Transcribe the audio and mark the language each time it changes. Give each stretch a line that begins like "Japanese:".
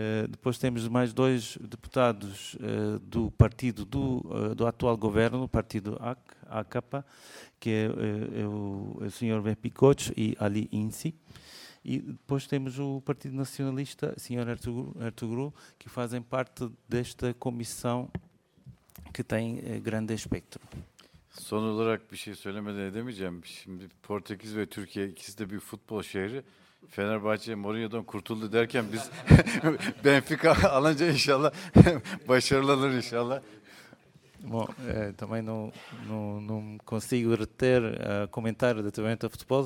Portuguese: Depois temos mais 2 deputados do partido do atual governo, o partido AKP, que é o senhor Behbi Koç e Ali İnci. E depois temos o Partido Nacionalista, o senhor Ertuğrul, que fazem parte desta comissão que tem grande espectro.
Turkish: Son olarak bir şey söylemeden edemeyeceğim. Şimdi Portekiz ve Türkiye ikisi de bir futbol şehri. Fenerbahçe Mourinho'dan kurtuldu derken biz Benfica alınca inşallah başarılanır inşallah.
Portuguese: Bom, também não consigo reter comentário da TV Futebol.